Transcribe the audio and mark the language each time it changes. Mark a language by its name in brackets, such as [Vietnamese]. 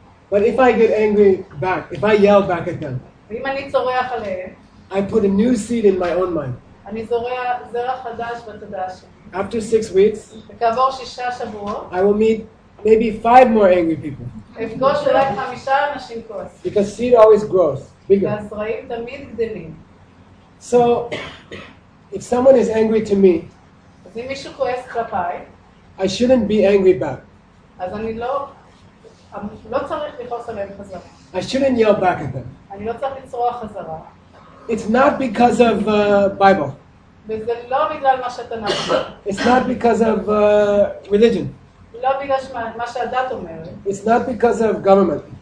[English] But if I get angry back, if I yell back at them. [Hebrew] ואם אני צורח עליהם. [English] I put a new seed in my own mind. [Hebrew] אני זורע זרע חדש בתודעה שלי. [English] After 6 weeks, [Hebrew] כעבור 6 שבועות, [English] I will meet maybe 5 more angry people. [Hebrew] אפגוש אולי 5 אנשים כועסים. [English] Because seed always grows bigger. [Hebrew] והזרעים תמיד גדלים. [English] So, if someone is angry to me, [Hebrew] אז אם מישהו כועס כלפיי, [English] I shouldn't be angry back. [Hebrew] אז אני לא צריך לכעוס עליהם חזרה. [English] I shouldn't yell back at them. [Hebrew] אני לא צריך לצרוח חזרה. [English] It's not because of Bible. [Hebrew] וזה לא בגלל מה שאתה נעשה. [English] It's not because of religion. [Hebrew] לא בגלל מה שהדת אומרת. [English] It's not because of government.